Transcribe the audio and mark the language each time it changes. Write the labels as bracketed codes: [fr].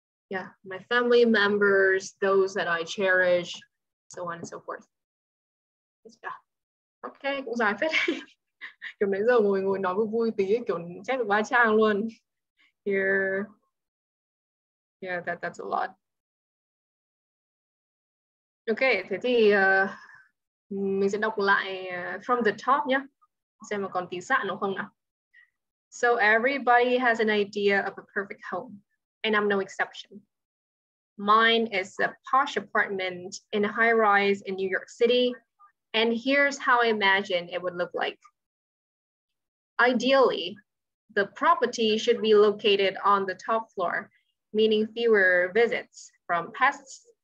[en] Yeah, my family members, those that I cherish, so on and so forth. [vi] Okay, cũng dài phết. Kiểu nãy giờ ngồi nói vui tí, kiểu chép được 3 trang luôn. [en] Here. Yeah, that's a lot. [vi] Okay, thế thì mình sẽ đọc lại [en] from the top [vi] nhé. Xem còn tí sạn nó không nào. [en] So everybody has an idea of a perfect home, and I'm no exception. Mine is a posh apartment in a high rise in New York City, and here's how I imagine it would look like. Ideally, the property should be located on the top floor, meaning fewer visits from pests